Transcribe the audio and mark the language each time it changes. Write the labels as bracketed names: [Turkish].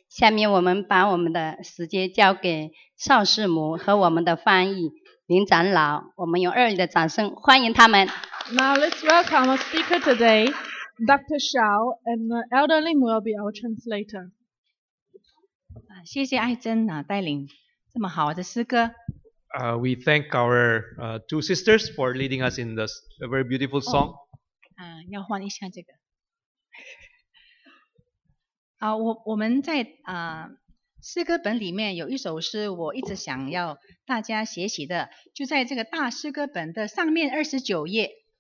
[Chinese] 下面我们把我们的时间交给邵氏母和我们的翻译林长老，我们用热烈的掌声欢迎他们。 [English] Now let's welcome our speaker today, Dr. Shao, and Elder Lim will be our translator. [Chinese] 谢谢爱珍啊，带领这么好的诗歌。 [English] We thank our two sisters for leading us in this a very beautiful song. [Chinese] 要换一下这个。我们在诗歌本里面有一首诗，我一直想要大家学习的，就在这个大诗歌本的上面29页。